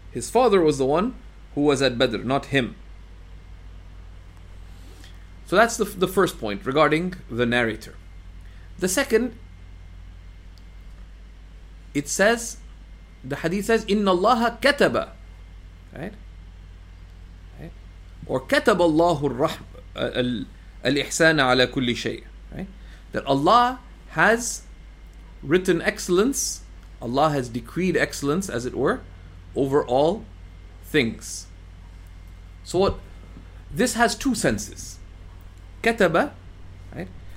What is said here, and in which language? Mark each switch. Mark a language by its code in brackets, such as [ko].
[en] His father was the one who was at Badr, not him. So that's the first point regarding the narrator. The second, it says, the hadith says, [ar] إِنَّ اللَّهَ كَتَبَ, [en] right? Or [ar] كَتَبَ اللَّهُ الرَّحْمَ الْإِحْسَانَ عَلَى كُلِّ شَيْءٍ, [en] right? That Allah has written excellence, Allah has decreed excellence, as it were, over all things. So what? This has two senses. كَتَبَ, right?